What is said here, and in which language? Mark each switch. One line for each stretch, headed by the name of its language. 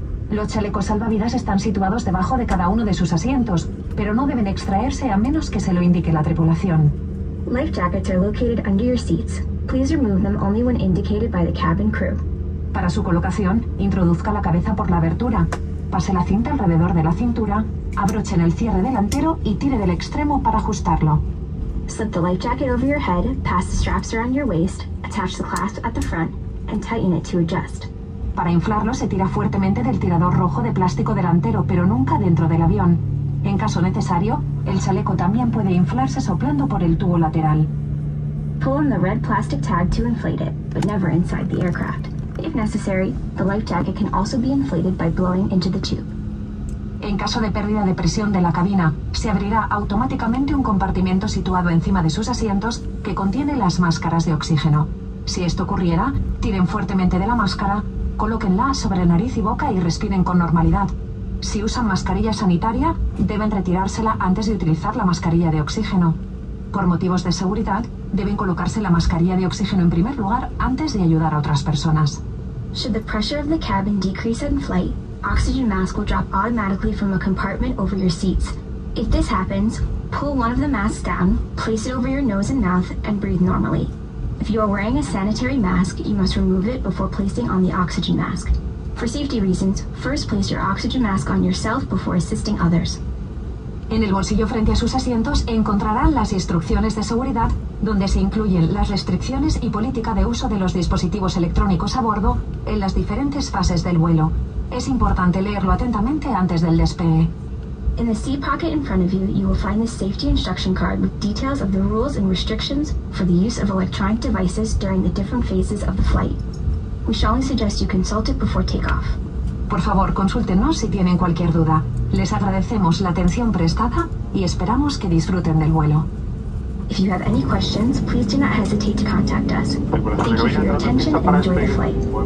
Spanish: Los chalecos salvavidas están situados debajo de cada uno de sus asientos, pero no deben extraerse a menos que se lo indique la tripulación.
English: Life jackets are located under your seats. Please remove them only when indicated by the cabin crew.
Spanish: Para su colocación, introduzca la cabeza por la abertura. Pase la cinta alrededor de la cintura, abrochen el cierre delantero y tire del extremo para ajustarlo.
English: Slip the life jacket over your head, pass the straps around your waist, attach the clasp at the front, and tighten it to adjust.
Spanish: Para inflarlo, se tira fuertemente del tirador rojo de plástico delantero, pero nunca dentro del avión. En caso necesario, el chaleco también puede inflarse soplando por el tubo lateral.
English: Pull on the red plastic tag to inflate it, but never inside the aircraft. If necessary, the life jacket can also be inflated by blowing into the tube.
Spanish: En caso de pérdida de presión de la cabina, se abrirá automáticamente un compartimiento situado encima de sus asientos que contiene las máscaras de oxígeno. Si esto ocurriera, tiren fuertemente de la máscara, colóquenla sobre nariz y boca y respiren con normalidad. Si usan mascarilla sanitaria, deben retirársela antes de utilizar la mascarilla de oxígeno. Por motivos de seguridad, deben colocarse la mascarilla de oxígeno en primer lugar antes de ayudar a otras personas.
English: Should the pressure of the cabin decrease in flight, oxygen masks will drop automatically from a compartment over your seats. If this happens, pull one of the masks down, place it over your nose and mouth, and breathe normally. If you are wearing a sanitary mask, you must remove it before placing on the oxygen mask. For safety reasons, first place your oxygen mask on yourself before assisting others.
Spanish: En el bolsillo frente a sus asientos encontrarán las instrucciones de seguridad, donde se incluyen las restricciones y política de uso de los dispositivos electrónicos a bordo en las diferentes fases del vuelo. Es importante leerlo atentamente antes del despegue.
English: In the seat pocket in front of you, you will find the safety instruction card with details of the rules and restrictions for the use of electronic devices during the different phases of the flight. We shall only suggest you consult it before takeoff.
Spanish: Por favor, consúltenos si tienen cualquier duda. Les agradecemos la atención prestada y esperamos que disfruten del vuelo.
English: If you have any questions, please do not hesitate to contact us. Thank you for your attention and enjoy the flight.